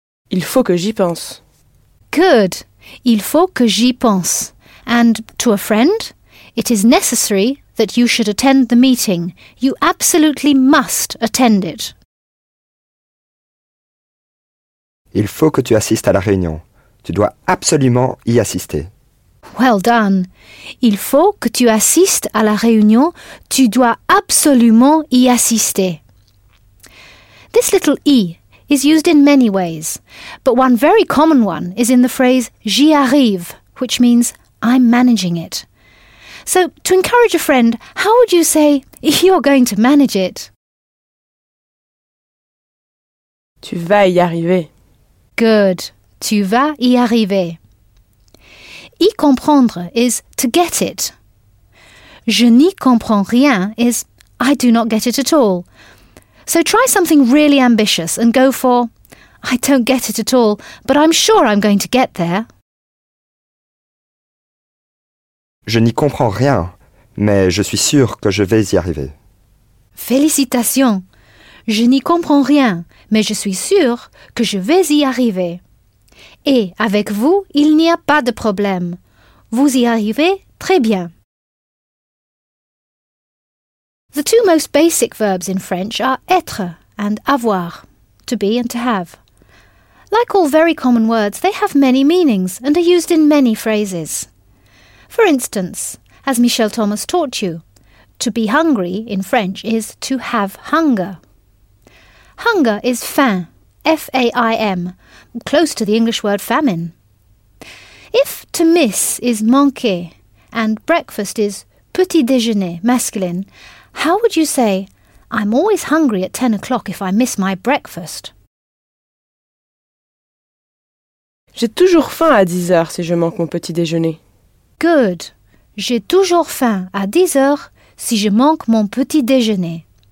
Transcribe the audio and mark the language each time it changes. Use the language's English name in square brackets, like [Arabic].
[French] Il faut que j'y pense. [English] Good. [French] Il faut que j'y pense. [English] And to a friend, it is necessary that you should attend the meeting. You absolutely must attend it. [French] Il faut que tu assistes à la réunion. Tu dois absolument y assister. [English] Well done. [French] Il faut que tu assistes à la réunion. Tu dois absolument y assister. [English] This little i is used in many ways, but one very common one is in the phrase [French] j'y arrive, [English] which means I'm managing it. So, to encourage a friend, how would you say you're going to manage it? [French] Tu vas y arriver. [English] Good. [French] Tu vas y arriver. Y comprendre [English] is to get it. [French] Je n'y comprends rien [English] is I do not get it at all. So try something really ambitious and go for I don't get it at all, but I'm sure I'm going to get there. [French] Je n'y comprends rien, mais je suis sûr que je vais y arriver. Félicitations. Je n'y comprends rien, mais je suis sûr que je vais y arriver. Et avec vous, il n'y a pas de problème. Vous y arrivez très bien. [English] The two most basic verbs in French are être and avoir, to be and to have. Like all very common words, they have many meanings and are used in many phrases. For instance, as Michel Thomas taught you, to be hungry in French is to have hunger. Hunger is faim, F-A-I-M, close to the English word famine. If to miss is manquer and breakfast is petit déjeuner, masculine, how would you say, I'm always hungry at 10 o'clock if I miss my breakfast? [French] J'ai toujours faim à 10 heures si je manque mon petit déjeuner. [English] Good. [French] J'ai toujours faim à 10 heures si je manque mon petit déjeuner.